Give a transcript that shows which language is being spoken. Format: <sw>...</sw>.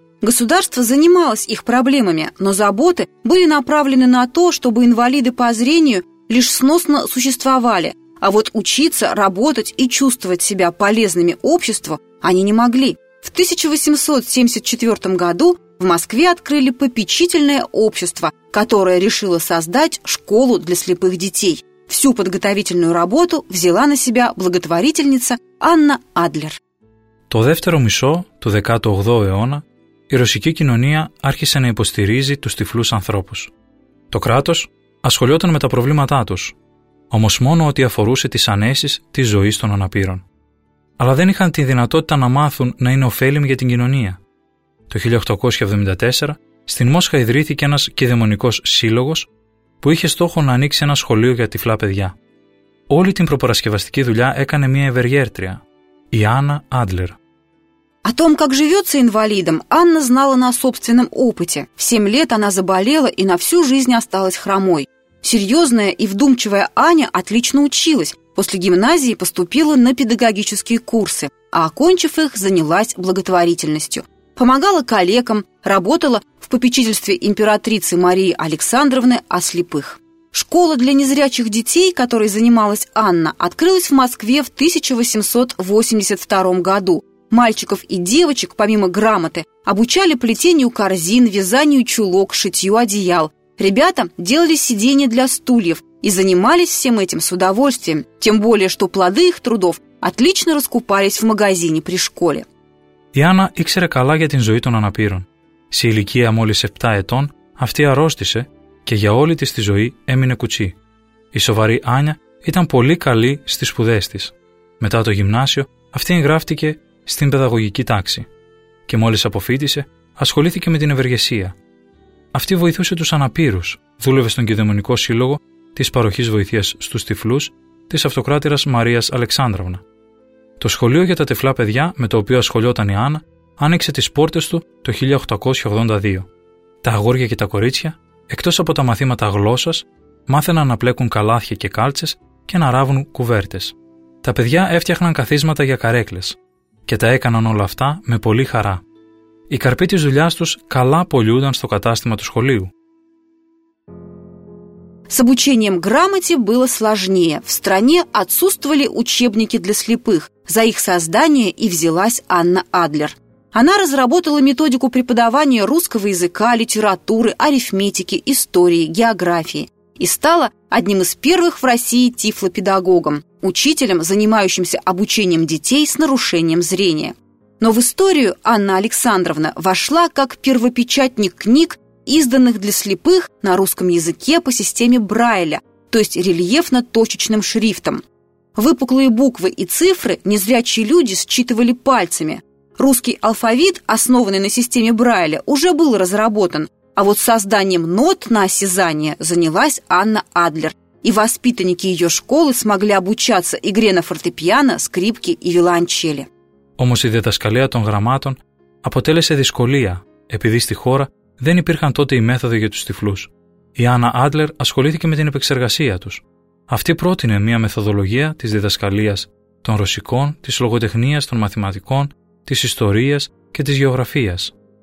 <ru>Государство занималось их проблемами, но заботы были направлены на то, чтобы инвалиды по зрению лишь сносно существовали, а вот учиться, работать и чувствовать себя полезными обществу они не могли. В 1874 году в Москве открыли попечительное общество, которое решило создать школу для слепых детей. Всю подготовительную работу взяла на себя благотворительница Анна Адлер.</ru> <el>Το δεύτερο μισό του 18ου αιώνα η ρωσική κοινωνία άρχισε να υποστηρίζει τους τυφλούς ανθρώπους. Το κράτος ασχολιόταν με τα προβλήματά τους, όμως μόνο ό,τι αφορούσε τις ανέσεις της ζωής των αναπήρων. Αλλά δεν είχαν τη δυνατότητα να μάθουν να είναι ωφέλιμοι για την κοινωνία. Το 1874 στην Μόσχα ιδρύθηκε ένας κηδεμονικός σύλλογος που είχε στόχο να ανοίξει ένα σχολείο για τυφλά παιδιά. Όλη την προπαρασκευαστική δουλειά έκανε μια ευεργέτρια, η Άννα Άντλερ.</el> <ru>О том, как живется инвалидом, Анна знала на собственном опыте. В 7 лет она заболела и на всю жизнь осталась хромой. Серьезная и вдумчивая Аня отлично училась. После гимназии поступила на педагогические курсы, а окончив их, занялась благотворительностью. Помогала коллегам, работала в попечительстве императрицы Марии Александровны о слепых. Школа для незрячих детей, которой занималась Анна, открылась в Москве в 1882 году. Мальчиков и девочек, помимо грамоты, обучали плетению корзин, вязанию чулок, шитью одеял. Ребята делали сиденья для стульев и занимались всем этим с удовольствием, тем более что плоды их трудов отлично раскупались в магазине при школе.</ru> <el>Η Άννα ήξερε καλά για την ζωή των αναπήρων. Σε ηλικία μόλις 7 ετών, αυτή αρρώστησε και για όλη της τη ζωή έμεινε κουτσή. Η σοβαρή Άννα ήταν πολύ καλή στις σπουδές της. Μετά το γυμνάσιο, αυτή εγγράφτηκε στην παιδαγωγική τάξη. Και μόλις αποφύτησε, ασχολήθηκε με την ευεργεσία. Αυτή βοηθούσε τους αναπήρους, δούλευε στον κηδεμονικό σύλλογο της παροχής βοηθείας στους τυφλούς της Αυτοκράτηρας Μαρίας Αλεξάνδραυνα. Το σχολείο για τα τυφλά παιδιά με το οποίο ασχολιόταν η Άννα άνοιξε τις πόρτες του το 1882. Τα αγόρια και τα κορίτσια, εκτός από τα μαθήματα γλώσσας, μάθαιναν να πλέκουν καλάθια και κάλτσες και να ράβουν κουβέρτες. Τα παιδιά έφτιαχναν καθίσματα για καρέκλες και τα έκαναν όλα αυτά με πολύ χαρά. Οι καρποί της δουλειάς τους καλά πολιούνταν στο κατάστημα του σχολείου.</el> <ru>С обучением грамоте было сложнее. В стране отсутствовали учебники для слепых. За их создание и взялась Анна Адлер. Она разработала методику преподавания русского языка, литературы, арифметики, истории, географии и стала одним из первых в России тифлопедагогом, учителем, занимающимся обучением детей с нарушением зрения. Но в историю Анна Александровна вошла как первопечатник книг, изданных для слепых на русском языке по системе Брайля, то есть рельефно-точечным шрифтом. Выпуклые буквы и цифры незрячие люди считывали пальцами. Русский алфавит, основанный на системе Брайля, уже был разработан, а вот созданием нот на осязание занялась Анна Адлер, и воспитанники ее школы смогли обучаться игре на фортепиано, скрипке и виолончели.</ru> <el>Όμως η διδασκαλία των γραμμάτων αποτέλεσε δυσκολία, επειδή στη χώρα δεν υπήρχαν τότε οι μέθοδοι για τους τυφλούς. Η Άννα Άντλερ ασχολήθηκε με την επεξεργασία τους. Αυτή πρότεινε μια μεθοδολογία της διδασκαλίας των ρωσικών, της λογοτεχνίας, των μαθηματικών, της ιστορίας και της γεωγραφίας.</el>